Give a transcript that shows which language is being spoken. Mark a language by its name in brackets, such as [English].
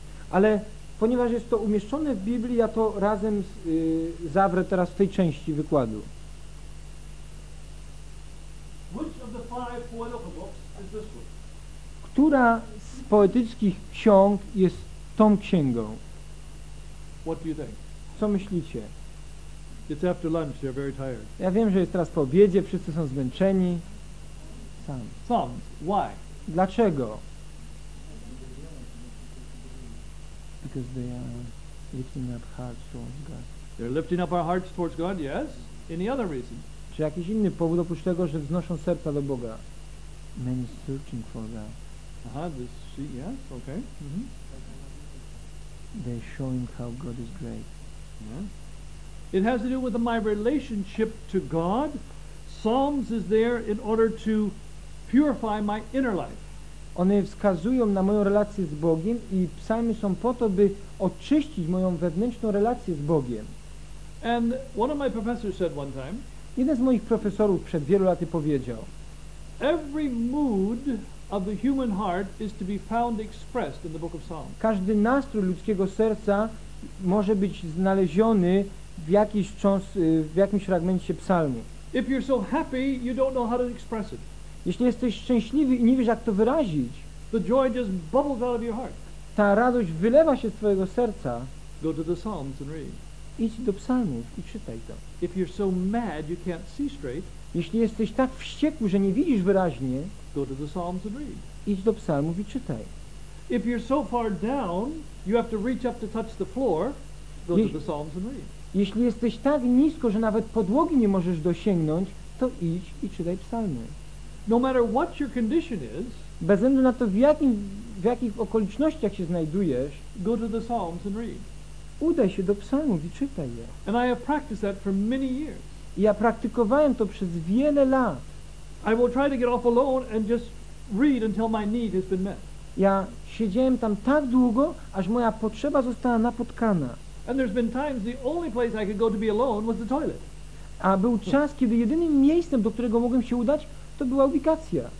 [Polish] Ale ponieważ jest to umieszczone w Biblii, ja to razem zawrę teraz w tej części wykładu. [English] Which of the five poetical books is this one? [Polish] Która poetyckich ksiąg jest tą księgą. [English] What do you think? [Polish] Co myślicie? [English] It's after lunch, you're very tired. [Polish] Ja wiem, że jest teraz po obiedzie, wszyscy są zmęczeni. [English] Psalms. Why? [Polish] Dlaczego? [English] Because they are lifting up hearts towards God. They're lifting up our hearts towards God, yes. Any other reason? [Polish] Czy jakiś inny powód oprócz tego, że wznoszą serca do Boga? [English] Men searching for God. Aha, this sheet, yes, okay. Mm-hmm. They show him how God is great. Yeah. It has to do with my relationship to God. Psalms is there in order to purify my inner life. [Polish] One wskazują na moją relację z Bogiem i psalmy są po to, by oczyścić moją wewnętrzną relację z Bogiem. [English] And one of my professors said one time, [Polish] jeden z moich profesorów przed wielu laty powiedział, [English] every mood of the human heart is to be found expressed in the book of Psalms. [Polish] Każdy nastrój ludzkiego serca może być znaleziony w jakimś fragmencie psalmu. [English] If you're so happy, you don't know how to express it. [Polish] Jeśli jesteś szczęśliwy i nie wiesz, jak to wyrazić, [English] the joy just bubbles out of your heart. [Polish] Ta radość wylewa się z twojego serca. [English] Go to the Psalms and read. [Polish] Idź do psalmów i czytaj to. [English] If you're so mad, you can't see straight, [Polish] jeśli jesteś tak wściekły, że nie widzisz wyraźnie, [English] go to the Psalms and read. [Polish] Idź do psalmów i czytaj. [English] If you're so far down, you have to reach up to touch the floor, go to the Psalms and read. [Polish] Jeśli jesteś tak nisko, że nawet podłogi nie możesz dosięgnąć, to idź i czytaj psalmy. [English] No matter what your condition is, [Polish] bez względu na to, w jakich okolicznościach się znajdujesz, [English] go to the Psalms and read. [Polish] Udaj się do psalmów i czytaj je. [English] And I have practiced that for many years. [Polish] Ja praktykowałem to przez wiele lat. [English] I will try to get off alone and just read until my need has been met. [Polish] Ja siedziałem tam tak długo, aż moja potrzeba została napotkana. [English] And there's been times the only place I could go to be alone was the toilet. [Polish] A był czas, kiedy jedynym miejscem, do którego mogłem się udać, to była ubikacja.